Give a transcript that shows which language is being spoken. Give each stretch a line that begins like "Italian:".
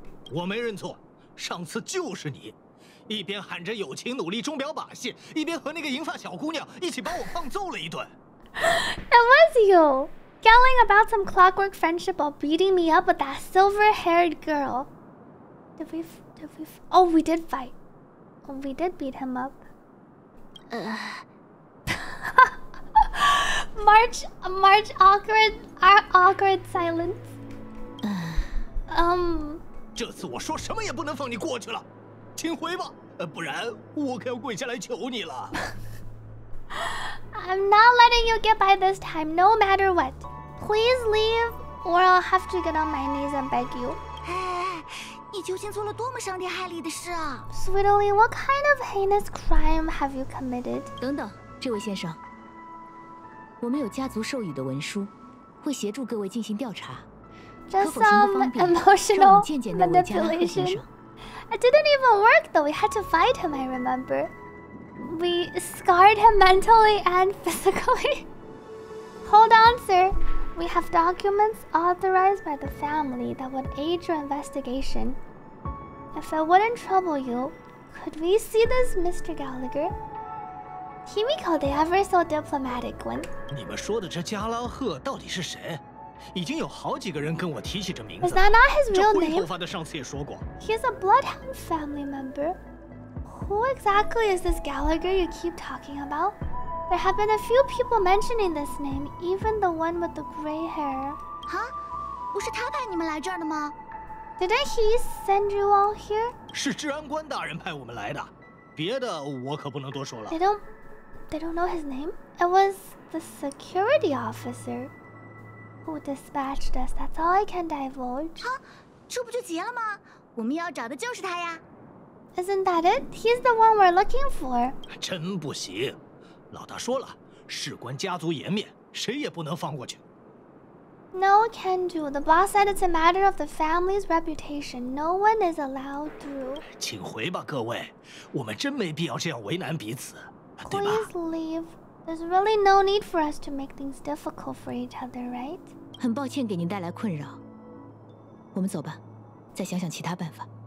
Chinese: 我没认错，上次就是你，一边喊着友情努力钟表把戏，一边和那个银发小姑娘一起把我胖揍了一顿。
English: It was you, yelling about some clockwork friendship while beating me up with that silver-haired girl. Did we fight. Oh, we did beat him up. March awkward silence.
Chinese: 这次我说什么也不能放你过去了，请回吧，不然我可要跪下来求你了。
English: I'm not letting you get by this time, no matter what. Please leave, or I'll have to get on my knees and beg you.
Chinese: Hey, 你究竟做了多么伤天害理的事啊？
English: Sweetly, what kind of heinous crime have you committed?
Chinese: 等等，这位先生，我们有家族授予的文书，会协助各位进行调查。
English: Just some emotional manipulation. It didn't even work, though. We had to fight him, I remember. We scarred him mentally and physically. Hold on, sir. We have documents authorized by the family that would aid your investigation. If it wouldn't trouble you, could we see this Mr. Gallagher? Himiko, the ever so diplomatic one.
Chinese: 你们说的这加拉赫到底是谁？已经有好几个人跟我提起这名字。
English: Is that not his real name?
Chinese: 这灰头发的上次也说过。
English: He's a Bloodhound family member. Who exactly is this Gallagher you keep talking about? There have been a few people mentioning this name, even the one with the gray hair. Huh?
Chinese: 不是他派你们来这儿的吗？
English: Didn't he send you all here?
Chinese: 是治安官大人派我们来的，别的我可不能多说了。
English: They don't know his name? It was the security officer who dispatched us. That's all I can divulge.
Chinese: Huh? 这不就结了吗？我们要找的就是他呀。
English: Isn't that it? He's the one we're looking for.
Chinese: 真不行，老大说了，事关家族颜面，谁也不能放过去。
English: No can do. The boss said it's a matter of the family's reputation. No one is allowed through.
Chinese: 请回吧，各位，我们真没必要这样为难彼此，对吧？
English: Please leave. There's really no need for us to make things difficult for each other, right?
Chinese: 很抱歉给您带来困扰。我们走吧，再想想其他办法。